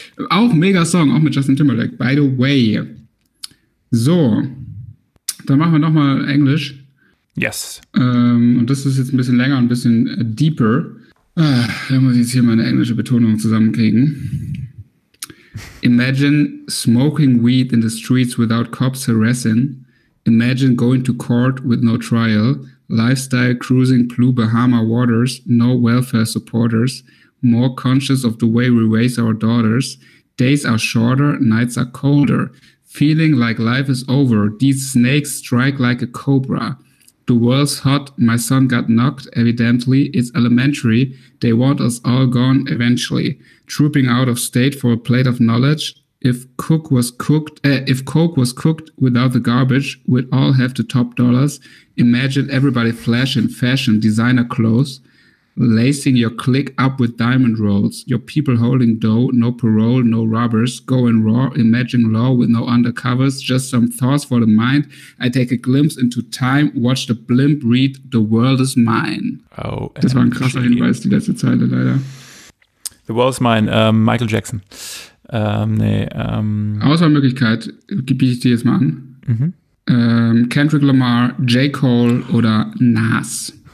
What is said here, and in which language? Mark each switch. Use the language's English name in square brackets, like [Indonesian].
[German] Auch mega Song, auch mit Justin Timberlake, [English] by the way. [German] So, dann machen wir nochmal Englisch. [English] Yes. [German] Und das ist jetzt ein bisschen länger, ein bisschen deeper. Da muss ich jetzt hier meine englische Betonung zusammenkriegen. [English] Imagine smoking weed in the streets without cops harassing. Imagine going to court with no trial. Lifestyle cruising blue Bahama waters, no welfare supporters. More conscious of the way we raise our daughters. Days are shorter, nights are colder. Feeling like life is over. These snakes strike like a cobra. The world's hot, my son got knocked, evidently, it's elementary, they want us all gone eventually. Trooping out of state for a plate of knowledge, if coke was cooked without the garbage, we'd all have the top dollars. Imagine everybody flashing fashion, designer clothes, lacing your click up with diamond rolls, your people holding dough, no parole, no robbers, going raw, imagine law with no undercovers, just some thoughts for the mind, I take a glimpse into time, watch the blimp read, the world is mine. Oh, [German] das war ein krasser Hinweis, die letzte Zeile leider. [English] The world is mine, Michael Jackson. [German] Auswahlmöglichkeit, gebe ich dir jetzt mal an. Mhm. Kendrick Lamar, J. Cole oder Nas?